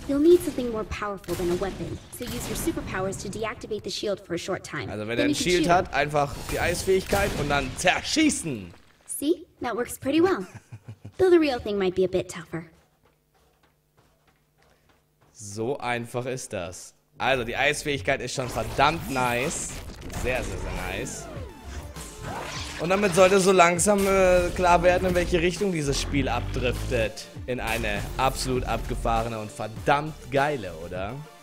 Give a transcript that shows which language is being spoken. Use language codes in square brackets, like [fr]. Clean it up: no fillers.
[en] You'll need something more powerful than a weapon. So use your superpowers to deactivate the shield for a short time. [de] Also wenn er ein Shield hat, einfach die Eisfähigkeit und dann zerschießen. [en] See? That works pretty well. Though the real thing might be a bit tougher. [de] So einfach ist das. Also, die Eisfähigkeit ist schon verdammt nice. Sehr, sehr, sehr nice. Und damit sollte so langsam klar werden, in welche Richtung dieses Spiel abdriftet. In eine absolut abgefahrene und verdammt geile, oder?